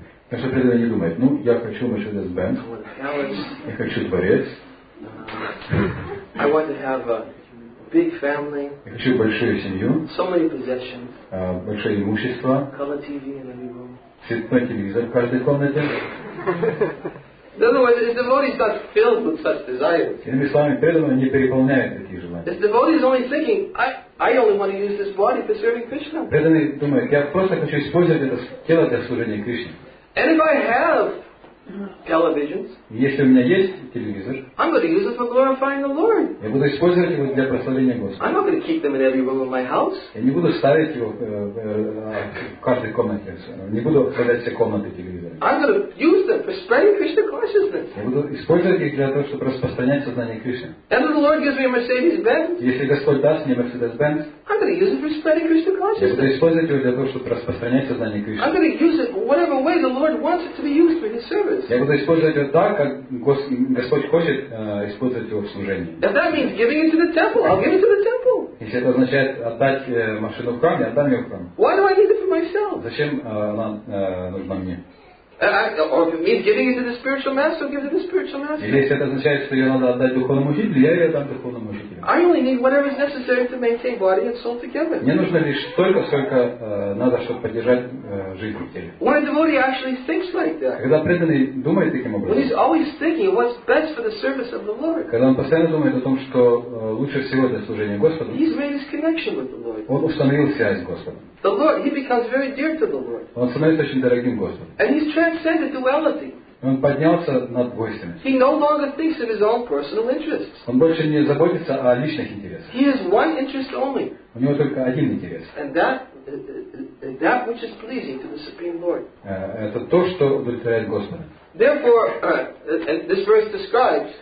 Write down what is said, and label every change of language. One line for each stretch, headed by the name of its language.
Russian: Конечно, преданный не думает, ну, я хочу Mercedes-Benz, я хочу дворец,
English: I want to have a big family,
Russian: я хочу большую семью,
English: so many possessions,
Russian: большое имущество,
English: color TV in every room,
Russian: цветной телевизор в каждой комнате.
English: In other words, his devotee is not filled with such desires.
Russian: Иными словами, преданный не переполняет такие желания.
English: His devotee is only thinking, I only want to use this body for serving Krishna.
Russian: Преданный думает, я просто хочу использовать это тело для служения Кришне.
English: And if I have televisions,
Russian: если у меня есть телевизор,
English: I'm going to use it for glorifying the Lord.
Russian: Я буду использовать его для прославления Господа.
English: I'm not going to keep them in every room of my house.
Russian: Я не буду ставить его в каждой комнате. Не буду оставлять все комнаты телевизора.
English: I'm going to use them for spreading Krishna consciousness.
Russian: Я буду использовать их для того, чтобы распространять сознание Кришны.
English: And if the Lord gives me a Mercedes-Benz,
Russian: если Господь даст мне Mercedes-Benz,
English: I'm going to use it for spreading Krishna consciousness.
Russian: Я буду использовать его для того, чтобы распространять сознание Кришны.
English: I'm going to use it whatever way the Lord wants it to be used for His service.
Russian: Я буду использовать его так, как Господь хочет использовать его в служении.
English: If that means giving it to the temple, I'll give it to the temple.
Russian: Если это означает отдать машину в храм, я отдам ее в храм.
English: Why do I need it for myself?
Russian: Зачем она нужна мне?
English: Or if it means giving it to the spiritual master, I'll give it to the spiritual master.
Russian: Если это означает, что ее надо отдать духовному учителю, я ее отдам духовному учителю.
English: I only need whatever is necessary to maintain body and soul together.
Russian: Мне нужно лишь столько, сколько надо, чтобы поддержать жизнь в теле.
English: When a devotee actually thinks like that,
Russian: когда преданный думает таким образом,
English: when he's always thinking what's best for the service of the Lord,
Russian: когда он постоянно думает о том, что лучше всего для служения Господу,
English: he's made his connection with the Lord.
Russian: Он установил связь с Господом.
English: The Lord, he becomes very dear to the Lord.
Russian: Он становится очень дорогим Господу.
English: And he's transcended duality.
Russian: Он поднялся над двойственностью.
English: He no longer thinks of his own personal interests.
Russian: Он больше не заботится о личных интересах.
English: He has one interest only.
Russian: У него только один интерес.
English: And that which is pleasing to the Supreme Lord.
Russian: Это то, что удовлетворяет Господа.
English: Therefore, and this verse describes.